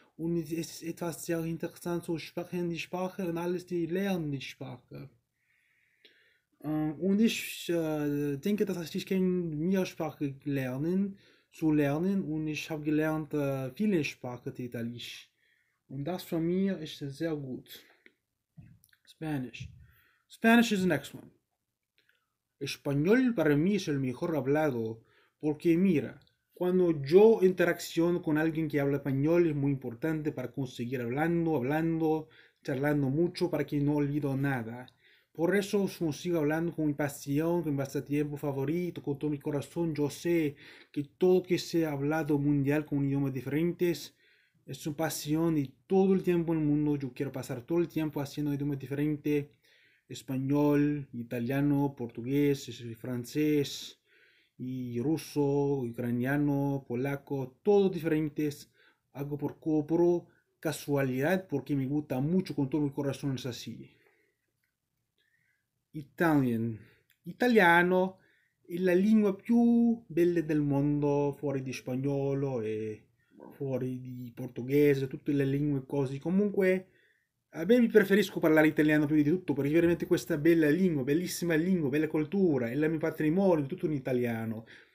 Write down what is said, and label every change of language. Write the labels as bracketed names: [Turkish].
[German] Und es ist etwas sehr interessant zu sprechen, die Sprache und alles, die lernen die Sprache. Und ich denke, dass ich mehr Sprache lernen zu lernen. Und ich habe gelernt viele Sprachen Italienisch. Und das von mir ist sehr gut. [English] Spanish. Spanish is the next one. [Spanish] Español para mí es el mejor hablado, porque mira. Cuando yo interacciono con alguien que habla español, es muy importante para conseguir hablando, charlando mucho, para que no olvido nada. Por eso consigo hablando con mi pasión, con mi pasatiempo favorito, con todo mi corazón. Yo sé que todo que sea hablado mundial con idiomas diferentes es una pasión y todo el tiempo en el mundo yo quiero pasar todo el tiempo haciendo idiomas diferentes. Español, italiano, portugués, francés. Y ruso, ucraniano, polaco, todos diferentes. Hago por cobro, casualidad, porque me gusta mucho, con todo mi corazón es así. [English] Italian. [Italian] Italiano [Spanish] es la lengua [Italian] più bella [Spanish] del mundo, [Italian] fuori di spagnolo e fuori di portoghese, tutte le lingue così. Comunque, a me mi preferisco parlare italiano più di tutto, perché veramente questa bella lingua, bellissima lingua, bella cultura, è il mio patrimonio, tutto in italiano.